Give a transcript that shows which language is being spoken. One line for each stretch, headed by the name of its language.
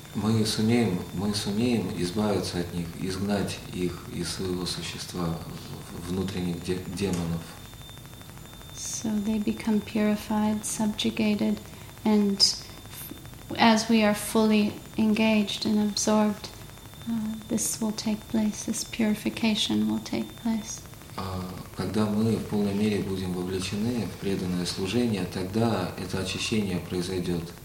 Russian: Мы сумеем избавиться от них, изгнать их из своего существа, внутренних демонов.
English: So they become purified, subjugated, and as we are fully engaged and absorbed, this will take place, this purification will take place.
Russian: Когда мы в полной мере будем вовлечены в преданное служение, тогда это очищение произойдет.